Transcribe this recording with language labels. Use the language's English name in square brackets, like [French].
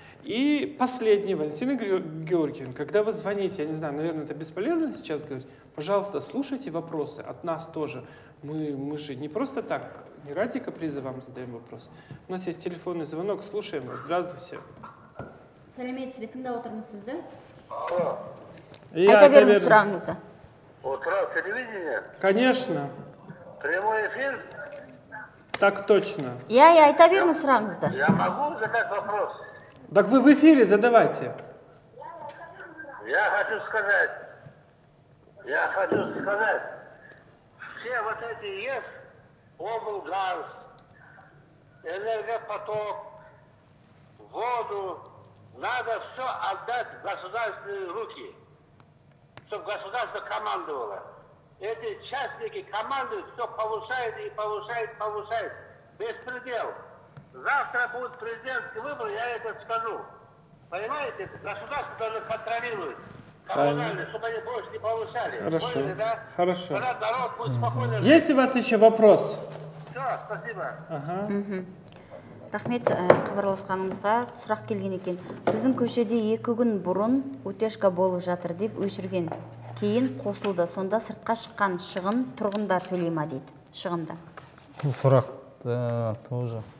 [Russian] И последний, Валентина Георгиевна, когда вы звоните, я не знаю, наверное, это бесполезно сейчас говорить, пожалуйста, слушайте вопросы от нас тоже. Мы же не просто так, не ради каприза вам задаем вопрос. У нас есть телефонный звонок, слушаем вас. Здравствуйте. [Kazakh] Сәлеметсіз бе, тыңдап отырмыз сізді? Алло. Айта беріңіз сұрағыңызды. [Russian] Отырау телевидение? Конечно. Прямой эфир? Так точно. [Kazakh] Я айта беріңіз сұрағыңызды. [Russian] Я могу задать вопрос? Так вы в эфире задавайте. Я хочу сказать, все вот эти есть, облгаз, энергопоток, воду. Надо все отдать в государственные руки, чтобы государство командовало. Эти частники командуют, все повышают и повышают, повышают. Беспредел. Завтра будут президентские выборы, я это скажу. Понимаете, государство должно контролировать. Чтобы они больше не повышали. Хорошо. Поняли, да? Хорошо. Тогда здоров, будь спокойно. Есть у вас еще вопрос? Все, спасибо. [Kazakh] Рахмет, хабарласқаныңызға. Сұрақ келген екен. Біздің көшеде екі күн бұрын өтешка болып жатыр деп өшірген. Кейін қосылды. Сонда сыртқа шыққан шығын тұрғындар төлей ма дейді. Шығында. Бұл сұрақ тоже.